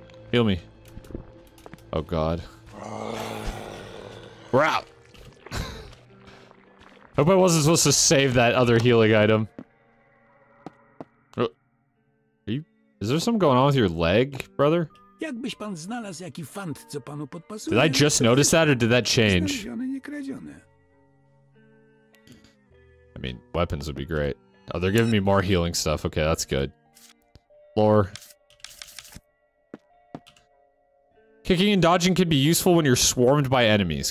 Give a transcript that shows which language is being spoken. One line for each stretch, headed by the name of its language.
English: Heal me. Oh God. We're out. Hope I wasn't supposed to save that other healing item. Is there something going on with your leg, brother?
Polish: Jakbyś pan znalazł jaki fant, co panu podpasuje?
English: Did I just notice that or did that change? I mean, weapons would be great. Oh, they're giving me more healing stuff. Okay, that's good. Lore. Kicking and dodging can be useful when you're swarmed by enemies.